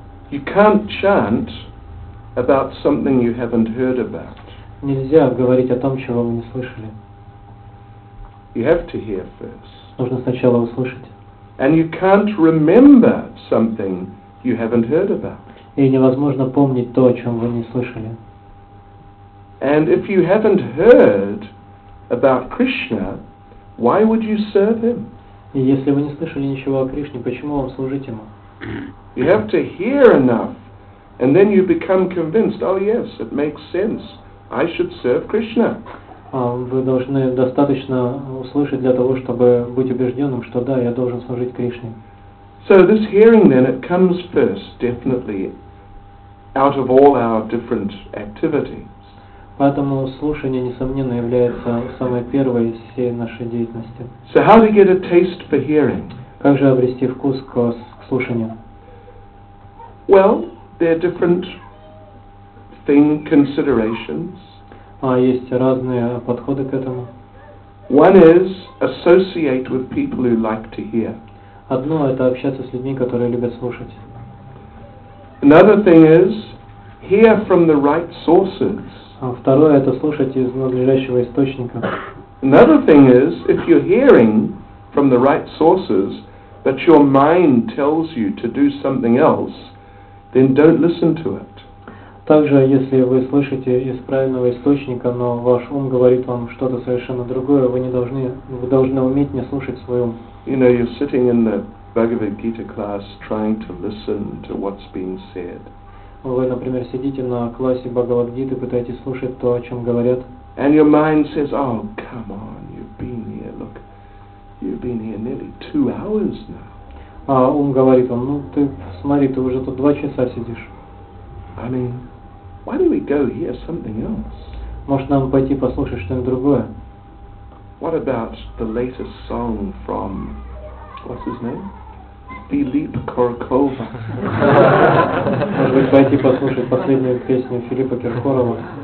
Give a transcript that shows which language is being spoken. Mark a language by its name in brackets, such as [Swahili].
[English] You can't chant about something you haven't heard about. [Russian] Нельзя говорить о том, чего вы не слышали. [English] You have to hear first. [Russian] Нужно сначала услышать. [English] And you can't remember something you haven't heard about. [Russian] И невозможно помнить то, о чем вы не слышали. [English] And if you haven't heard about Krishna, why would you serve him? [Russian] И если вы не слышали ничего о Кришне, почему вам служить ему? [English] You have to hear enough, and then you become convinced. Oh yes, it makes sense. I should serve Krishna. [Russian] Вы должны достаточно услышать для того, чтобы быть убежденным, что да, я должен служить Кришне. [English] So this hearing then, it comes first, definitely, out of all our different activities. [Russian] Поэтому слушание, несомненно, является самой первой из всей нашей деятельности. [English] So how to get a taste for hearing? [Russian] Как же обрести вкус к слушанию? [English] Well, there are different thing considerations. [Russian] А есть разные подходы к этому. [English] One is associate with people who like to hear. [Russian] Одно это общаться с людьми, которые любят слушать. [English] Another thing is hear from the right sources. [Russian] А второе это слушать из надлежащего источника. [English] Another thing is if you're hearing from the right sources, but your mind tells you to do something else, then don't listen to it. [Russian] Также, если вы слышите из правильного источника, но ваш ум говорит вам что-то совершенно другое, вы должны уметь не слушать свой ум. [English] You know, you're sitting in the Bhagavad Gita class trying to listen to what's being said. [Russian] Вы, например, сидите на классе Бхагавад Гиты, пытаетесь слушать то, о чем говорят. [English] And your mind says, oh, come on, you've been here, look, you've been here nearly 2 hours now. [Russian] А ум говорит вам, ну ты смотри, ты уже тут 2 часа сидишь. [English] I mean, why don't we go hear something else? [Russian] Может нам пойти послушать что-нибудь другое? [English] What about the latest song from, what's his name? [Russian] Filip Kirkorov. Может быть пойти послушать последнюю песню Филиппа Киркорова?